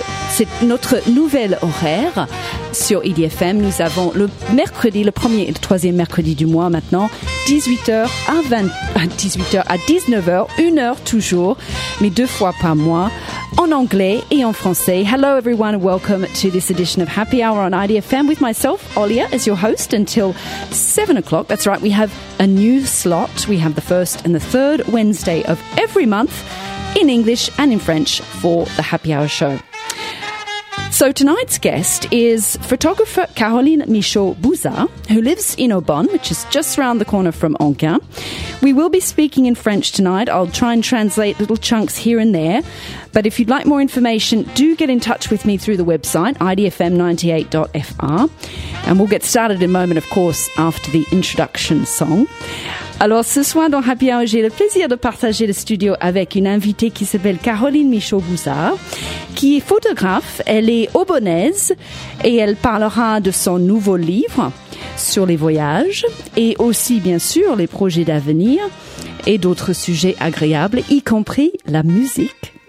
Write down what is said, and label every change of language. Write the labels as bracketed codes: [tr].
[fr] C'est notre nouvel horaire sur EDFM. Nous avons le mercredi, le premier et le troisième mercredi du mois maintenant, 18h à 19h, une heure toujours, mais deux fois par mois, en anglais et en français. [en] Hello everyone, welcome to this edition of Happy Hour on EDFM with myself, Olia, as your host until 7 o'clock. That's right, we have a new slot. We have the first and the third Wednesday of every month in English and in French for the Happy Hour show. So tonight's guest is photographer Caroline Michaud-Bouzard, who lives in Aubonne, which is just around the corner from Anquin. We will be speaking in French tonight. I'll try and translate little chunks here and there. But if you'd like more information, do get in touch with me through the website, idfm98.fr. And we'll get started in a moment, of course, after the introduction song. [fr] Alors, ce soir dans Happy Hour, j'ai le plaisir de partager le studio avec une invitée qui s'appelle Caroline Michaud-Bouzard, qui est photographe. Elle est aubonnaise et elle parlera de son nouveau livre sur les voyages et aussi, bien sûr, les projets d'avenir et d'autres sujets agréables, y compris la musique.